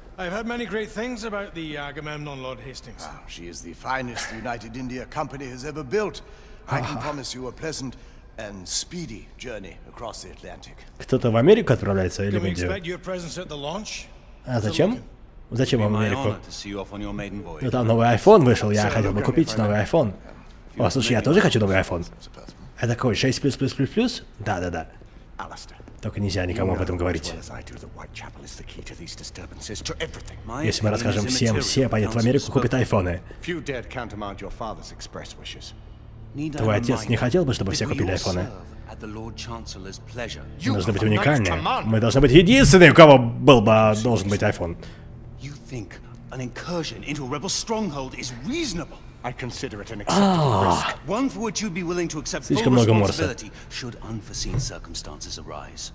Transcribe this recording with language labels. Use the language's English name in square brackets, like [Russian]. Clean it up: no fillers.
[English] I've heard many great things about the Agamemnon, Lord Hastings. She is the finest United India Company has ever built. I can promise you a pleasant and speedy journey across the Atlantic. [Russian] Кто-то в Америку отправляется или мы [English] expect your presence at the launch? [Russian] А зачем? Зачем вам в Америку? Ну там новый iPhone вышел, я хотел бы купить новый iPhone. О, слушай, я тоже хочу новый iPhone. Это какой, 6++++? Да. Только нельзя никому об этом говорить. Если мы расскажем всем, все поедут в Америку, купят айфоны. Твой отец не хотел бы, чтобы все купили айфоны. Мы должны быть уникальны. Мы должны быть единственными, у кого был бы, должен быть iPhone. [English] You think an incursion into a rebel stronghold is reasonable? I consider it an acceptable risk. One for which you'd be willing to accept full responsibility should unforeseen circumstances arise.